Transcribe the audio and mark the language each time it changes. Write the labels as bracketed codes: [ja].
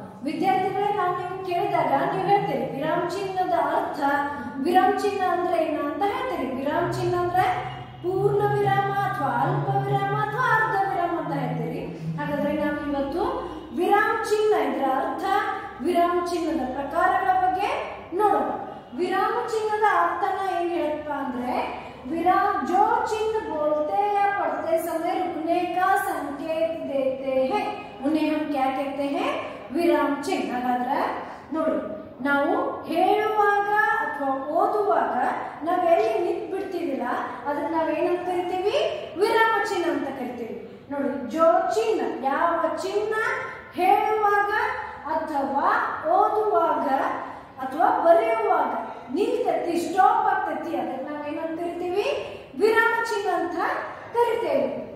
[kn] ವಿದ್ಯಾರ್ಥಿಗಳೇ, ನಾವು ನಿಮ್ಗೆ ಕೇಳಿದಾಗ ನೀವು ಹೇಳ್ತೀರಿ ವಿರಾಮ ಚಿಹ್ನದ ಅರ್ಥ, ವಿರಾಮ ಚಿಹ್ನ ಅಂದ್ರೆ ಏನ ಅಂತ ಹೇಳ್ತೀರಿ. ವಿರಾಮ ಚಿಹ್ನ ಅಂದ್ರೆ ಪೂರ್ಣ ವಿರಾಮ ಅಥವಾ ಅಲ್ಪ ವಿರಾಮ ಅಥವಾ ಅರ್ಧ ವಿರಾಮ ಅಂತ ಹೇಳ್ತೀರಿ. ಹಾಗಾದ್ರೆ ನಾವು ಇವತ್ತು ವಿರಾಮ ಚಿಹ್ನ ಇದ್ರ ಅರ್ಥ, ವಿರಾಮ ಚಿಹ್ನದ ಪ್ರಕಾರಗಳ ಬಗ್ಗೆ ನೋಡೋಣ. ವಿರಾಮ ಚಿಹ್ನದ ಅರ್ಥನ ಏನ್ ಹೇಳಪ್ಪ ಅಂದ್ರೆ, [hi] विराम जो चिन्ह बोलते या पढ़ते समय रुकने का संकेत देते हैं उन्हें हम क्या कहते हैं, विराम चिन्ह। [kn] ಹಾಗಾದ್ರೆ ನೋಡಿ, ನಾವು ಹೇಳುವಾಗ ಅಥವಾ ಓದುವಾಗ ನಾವೆಲ್ಲಿ ನಿಂತು ಬಿಡ್ತೀವಿಲ್ಲ ಅದನ್ನ ನಾವು ಏನಂತ ಕರಿತೀವಿ, ವಿರಾಮ ಚಿನ್ಹ ಅಂತ ಕರಿತೀವಿ. ನೋಡಿ, [hi] ಜೋ [kn] ಚಿನ್ಹ, ಯಾವ ಚಿನ್ಹ ಹೇಳುವಾಗ ಅಥವಾ ಓದುವಾಗ ಅಥವಾ ಬರೆಯುವಾಗ ನಿಲ್ತತಿ, ಸ್ಟಾಪ್ ಆಗ್ತತಿ, ಅದನ್ನ ನಾವೇನಂತಿರ್ತೀವಿ, ವಿರಾಮ ಚಿಹ್ನ ಅಂತ ಕರಿತೇವೆ.